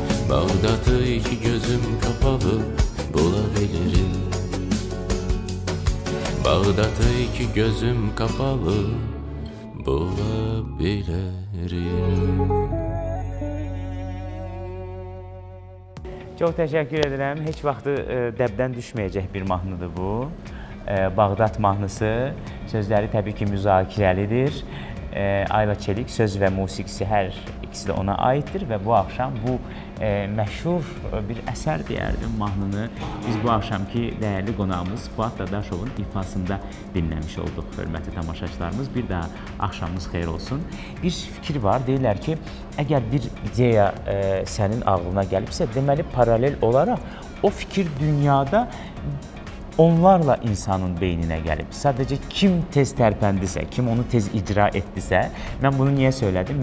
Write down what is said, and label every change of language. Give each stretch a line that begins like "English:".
Turkish: Bağdat'ı iki gözüm kapalı bulabilirim. Bağdat'ı iki gözüm kapalı bulabilirim. Çok teşekkür ederim.
Azerbaijani: Hiç vaxtı dəbdən düşməyəcək bir mahnıdır bu. Bağdat mahnısı. Sözleri təbii ki müzakirəlidir. Ayla Çelik söz və musiqisi hər ikisi də ona aiddir. Və bu akşam bu məşhur bir əsər deyərdim mahnını. Biz bu akşamki dəyərli qonağımız Fuad Dadaşovun ifasında dinləmiş olduq. Hörmətli tamaşaçılarımız, bir daha akşamınız xeyir olsun. Bir fikir var, deyirlər ki, əgər bir ideya sənin ağlına gəlibsə, deməli paralel olaraq o fikir dünyada onlarla insanın beyninə gəlib. Sadəcə kim tez tərpəndisə, kim onu tez icra etdisə, mən bunu niyə söylədim?